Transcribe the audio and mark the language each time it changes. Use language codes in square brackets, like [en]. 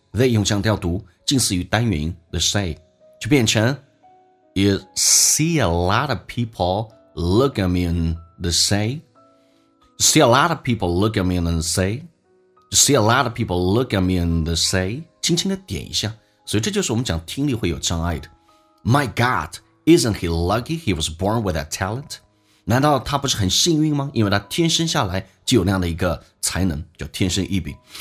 [en] They [zh] 用降调读，近似于单元音 [en] they say， 就变成 You see a lot of people look at me and they say. See a lot of people look at me and say. You see a lot of people look at me and they say. [zh] 轻轻的点一下，所以这就是我们讲听力会有障碍的。 [en] My God, isn't he lucky he was born with that talent? [zh] 难道他不是很幸运吗？因为他天生下来就有那样的一个才能，叫天生异禀。